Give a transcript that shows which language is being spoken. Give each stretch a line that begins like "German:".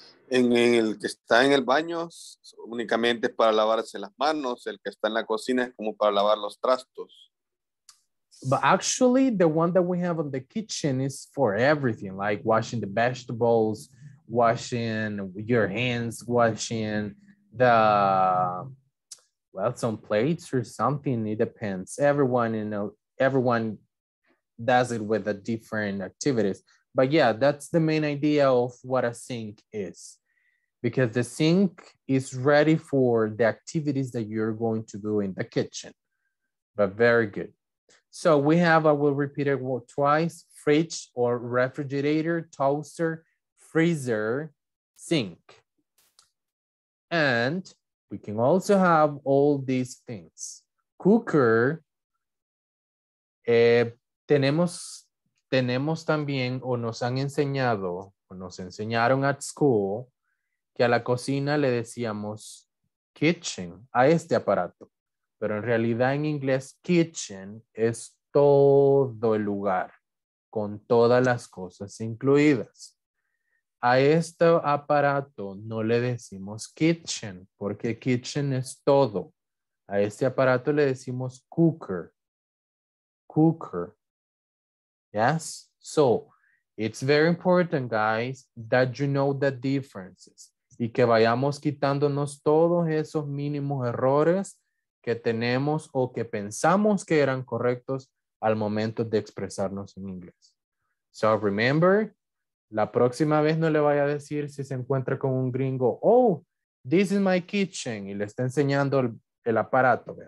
Spanish: En el que está en el baño, únicamente para lavarse las manos. El que está en la cocina es como para lavar los trastos.
English: But actually, the one that we have on the kitchen is for everything, like washing the vegetables, washing your hands, washing the, well, some plates or something. It depends. Everyone, you know, everyone does it with a different activities. But yeah, that's the main idea of what a sink is. Because the sink is ready for the activities that you're going to do in the kitchen. But very good. So we have, I will repeat it twice, fridge or refrigerator, toaster, freezer, sink. And we can also have all these things.
Spanish: Cooker, tenemos también, o nos han enseñado, o nos enseñaron
English: at school,
Spanish: que a la cocina le decíamos kitchen, a este aparato. Pero en realidad en inglés, kitchen es todo el lugar, con todas las cosas incluidas. A este aparato no le decimos kitchen, porque kitchen es todo. A este aparato le decimos cooker. Cooker. Yes?
English: So, it's very important, guys, that you know the differences.
Spanish: Y que vayamos quitándonos todos esos mínimos errores que tenemos o que pensamos que eran correctos al momento de expresarnos en inglés. So remember, la próxima vez no le vaya a decir si se encuentra con un gringo,
English: oh, this is my kitchen,
Spanish: y le está enseñando el aparato.